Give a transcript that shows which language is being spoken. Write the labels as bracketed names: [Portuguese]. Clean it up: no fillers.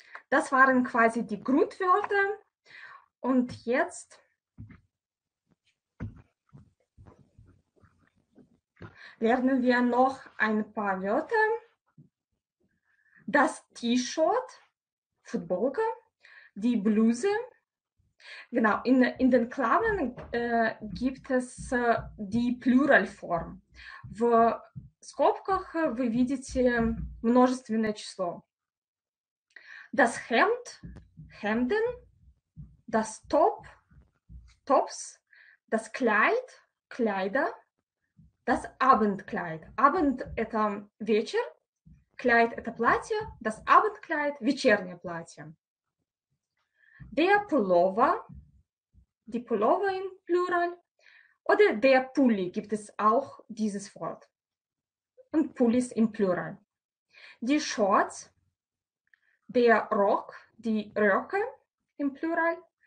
[German] Das waren quasi die Grundwörter. Und jetzt, lernen wir noch ein paar Wörter. Das T-Shirt, Footballer, die Bluse. Genau, in den Klammern gibt es die Pluralform. [Russian] В скобках вы видите множественное число. [German] Das Hemd, Hemden. Das Top, Tops. Das Kleid, Kleider. Das Abendkleid. [Russian] Abend – это вечер. Kleid – это платье. [German] Das Abendkleid – [Russian] вечернее платье. [German] Der Pullover, die Pullover im Plural. Oder der Pulli, gibt es auch dieses Wort. Und Pullis im Plural. Die Shorts, der Rock, die Röcke im Plural.